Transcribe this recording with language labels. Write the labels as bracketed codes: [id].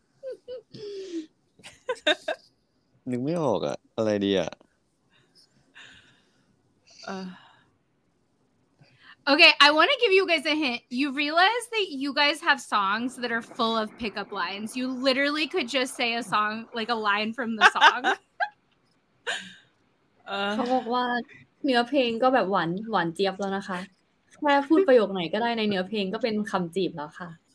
[th] นึกไม่ออกอะนึกไม่ออกอะอะไรดีอะ [en] Okay, I want to give you guys a hint. You realize that you guys have songs that are full of pickup lines. You literally could just say a song, like a line from the song. [th] เขาบอกว่าเนื้อเพลงก็แบบหวานเจี๊ยบแล้วนะคะแค่พูดประโยคไหนก็ได้ในเนื้อเพลงก็เป็นคำจีบแล้วค่ะ